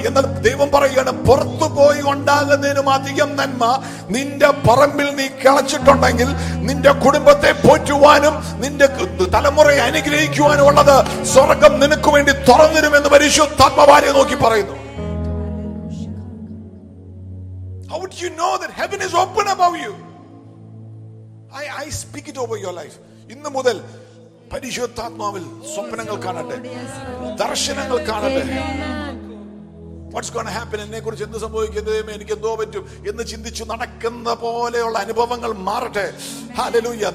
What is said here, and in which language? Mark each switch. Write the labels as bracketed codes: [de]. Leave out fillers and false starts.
[ml] എന്നാൽ ദൈവം പറയുകയാണ്, പുറത്തു പോയി ഉണ്ടാകുന്നതിനും അധികം നന്മ നിന്റെ പറമ്പിൽ നീ കിളച്ചിട്ടുണ്ടെങ്കിൽ നിന്റെ കുടുംബത്തെ പോറ്റുവാനും നിന്റെ തലമുറയെ അനുഗ്രഹിക്കുവാനും ഉള്ളത് സ്വർഗം നിനക്ക് വേണ്ടി തുറന്നിരുമെന്ന് പരിശുദ്ധാത്മാവാരെ നോക്കി പറയുന്നു. [en] How would you know that heaven is open above you? I speak it over your life. [ml] ഇന്ന് മുതൽ പരിശുദ്ധാത്മാവിൽ സ്വപ്നങ്ങൾ കാണട്ടെ, ദർശനങ്ങൾ കാണട്ടെ. [en] What's going to happen? [ml] എന്നെ കുറിച്ച് എന്ത് സംഭവിക്കുന്നു, എനിക്ക് എന്തോ പറ്റും എന്ന് ചിന്തിച്ചു നടക്കുന്ന പോലെയുള്ള അനുഭവങ്ങൾ മാറട്ടെ. ഹല്ലേലൂയ.